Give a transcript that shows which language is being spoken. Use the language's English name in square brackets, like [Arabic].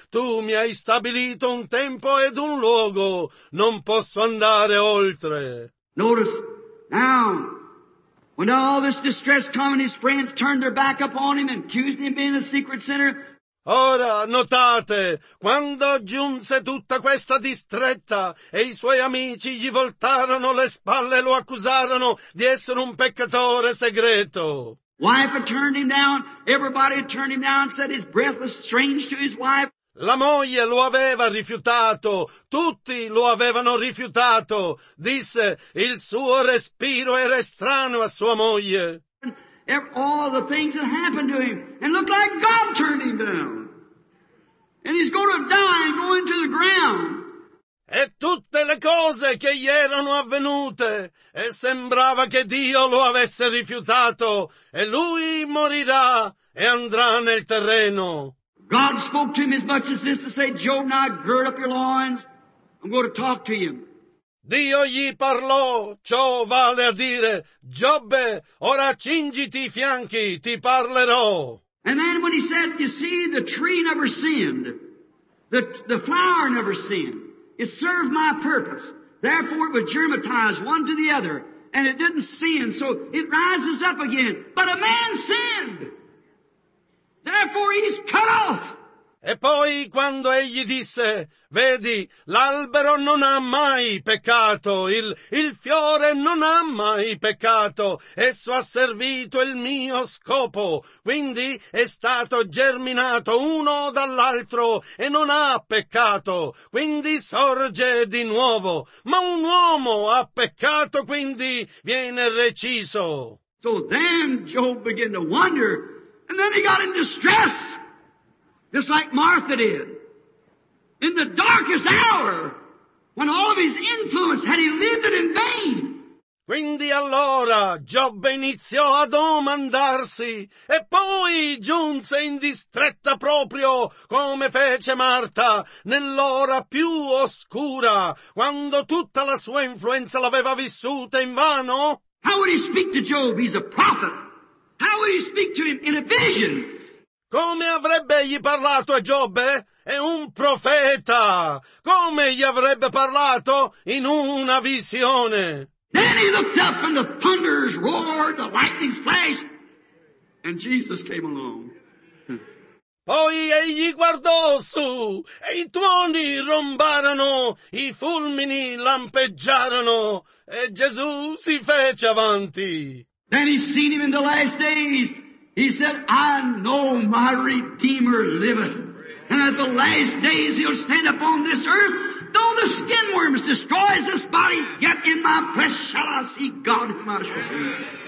[Italian] Tu mi hai stabilito un tempo ed un luogo. Non posso andare oltre. [English] Notice now. When all this distress come and his friends turned their back upon him and accused him of being a secret sinner. [Italian] Ora, notate, quando giunse tutta questa distretta e i suoi amici gli voltarono le spalle e lo accusarono di essere un peccatore segreto. [English] Wife had turned him down, everybody had turned him down, said his breath was strange to his wife. [Italian] La moglie lo aveva rifiutato, tutti lo avevano rifiutato, disse il suo respiro era strano a sua moglie. [English] All the things that happened to him, and looked like God turned him down. And he's going to die and go into the ground. [Italian] E tutte le cose che gli erano avvenute, e sembrava che Dio lo avesse rifiutato, e lui morirà e andrà nel terreno. [English] God spoke to him as much as this to say, Job, now gird up your loins, I'm going to talk to him. [Italian] Dio gli parlò, ciò vale a dire, Giobbe, ora cingiti i fianchi, ti parlerò. [English] And then when he said, you see, the tree never sinned, the flower never sinned, it served my purpose, therefore it was germatized one to the other, and it didn't sin, so it rises up again, but a man sinned, therefore he's cut off. [Italian] E poi quando egli disse, vedi, l'albero non ha mai peccato, il fiore non ha mai peccato, esso ha servito il mio scopo, quindi è stato germinato uno dall'altro e non ha peccato, quindi sorge di nuovo, ma un uomo ha peccato, quindi viene reciso. [English] So then Job began to wonder, and then he got in distress. Just like Martha did. In the darkest hour, when all of his influence had he lived it in vain. [Italian] Quindi allora Giobbe iniziò a domandarsi, e poi giunse in distretta proprio come fece Marta nell'ora più oscura, quando tutta la sua influenza l'aveva vissuta in vano. [English] How would he speak to Job? He's a prophet. How would he speak to him in a vision? [Italian] Come avrebbe egli parlato a Giobbe? È un profeta. Come gli avrebbe parlato? In una visione. [English] Then he looked up and the thunders roared, the lightnings flashed, and Jesus came along. [Italian] Poi egli guardò su, e i tuoni rombarono, i fulmini lampeggiarono, e Gesù si fece avanti. [English] Then he seen him in the last days. He said, I know my Redeemer liveth, and at the last days he'll stand upon this earth. Though the skin worms destroys this body, yet in my flesh shall I see God in my shroud.